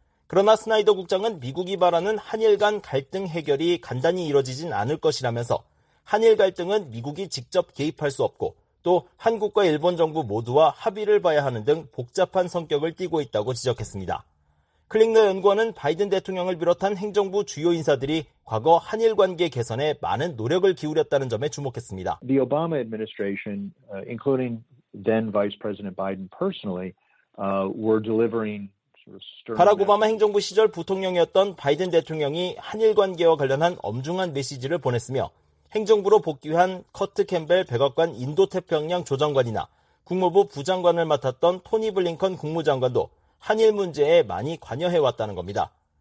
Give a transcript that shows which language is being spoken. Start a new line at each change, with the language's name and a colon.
Korean: 그러나 스나이더 국장은 미국이 바라는 한일 간 갈등 해결이 간단히 이뤄지진 않을 것이라면서 한일 갈등은 미국이 직접 개입할 수 없고 또 한국과 일본 정부 모두와 합의를 봐야 하는 등 복잡한 성격을 띠고 있다고 지적했습니다. 클링너 연구원은 바이든 대통령을 비롯한 행정부 주요 인사들이 과거 한일 관계 개선에 많은 노력을 기울였다는 점에 주목했습니다.
English: The Obama administration, including then Vice President Biden personally, were delivering sort of stern.
Korean: 바락 오바마 행정부 시절 부통령이었던 바이든 대통령이 한일 관계와 관련한 엄중한 메시지를 보냈으며 행정부로 복귀한 커트 캠벨 백악관 인도태평양 조정관이나 국무부 부장관을 맡았던 토니 블링컨 국무장관도 한일 문제에 많이 관여해왔다는 겁니다.